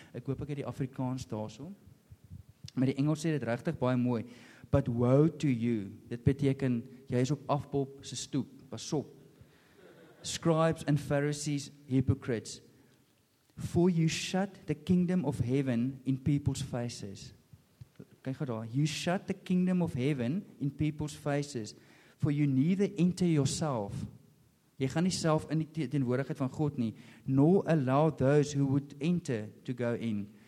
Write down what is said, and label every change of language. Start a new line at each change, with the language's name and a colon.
Afrikaans: Ek hoop ek het die Afrikaans daarsom. Maar die Engels sê dit regtig baie mooi.
English: But woe to you.
Afrikaans: Dit beteken, jy is op afbob se stoep. Pas op.
English: Scribes and Pharisees, hypocrites. For you shut the kingdom of heaven in people's faces.
Afrikaans: Kijk daar.
English: You shut the kingdom of heaven in people's faces. For you neither enter yourself.
Afrikaans: Jy gaan nie self in die teenwoordigheid van God nie.
English: Nor allow those who would enter to go in.